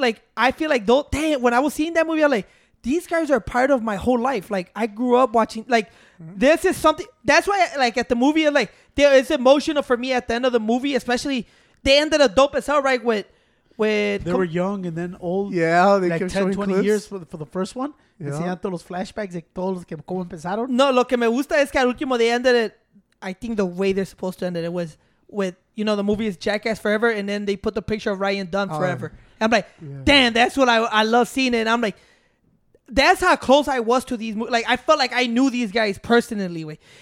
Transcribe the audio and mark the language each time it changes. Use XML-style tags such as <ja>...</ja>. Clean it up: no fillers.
<en>Like, I feel like, damn, when I was seeing that movie, I'm like, these guys are part of my whole life. Like, I grew up watching, like, this is something. That's why, like, at the movie, like, there is emotional for me at the end of the movie, especially they ended up dope as hell, right? They were young and then old. Yeah, they like 10, 20 clips. Years for the first one.</en> <es>Enseñan todos los flashbacks de todos los que como empezaron. No, lo que me gusta es que al último</es> <en>they ended it, I think the way they're supposed to end it was with, you know, the movie is Jackass Forever, and then they put the picture of Ryan Dunn forever. And I'm like, damn, that's what I love seeing it. And I'm like, that's how close I was to these movies. Like, I felt like I knew these guys personally. Way.</en>